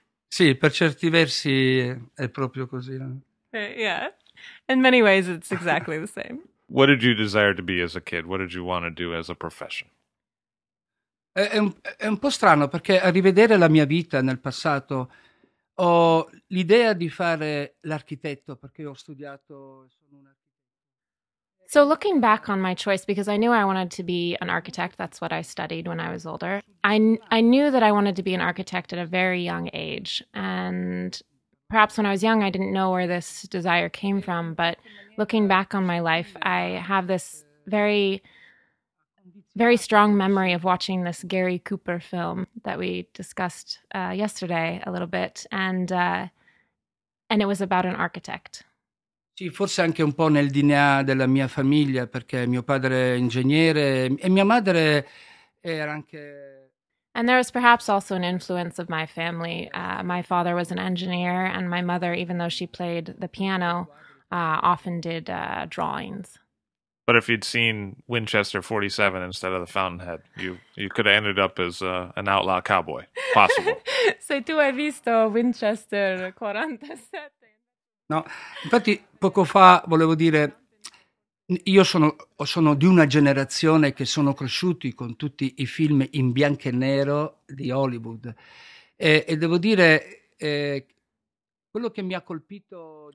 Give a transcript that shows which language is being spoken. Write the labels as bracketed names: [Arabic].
[Italian] Sì, per certi versi è proprio così. [English] Yeah, in many ways it's exactly the same. What did you desire to be as a kid? What did you want to do as a profession? [Italian] È un po' strano perché a rivedere la mia vita nel passato ho l'idea di fare l'architetto perché ho studiato. [English] So looking back on my choice, because I knew I wanted to be an architect, that's what I studied when I was older, I knew that I wanted to be an architect at a very young age. And perhaps when I was young, I didn't know where this desire came from. But looking back on my life, I have this very, very strong memory of watching this Gary Cooper film that we discussed yesterday a little bit. And it was about an architect. [Italian] Sì, forse anche un po' nel DNA della mia famiglia, perché mio padre è ingegnere e mia madre era anche. [English] And there was perhaps also an influence of my family. My father was an engineer and my mother, even though she played the piano, often did drawings. But if you'd seen Winchester 47 instead of the Fountainhead, you could have ended up as an outlaw cowboy. Possible. [Italian] Se tu hai visto Winchester 47. No, infatti poco fa volevo dire, io sono di una generazione che sono cresciuti con tutti i film in bianco e nero di Hollywood e devo dire, quello che mi ha colpito.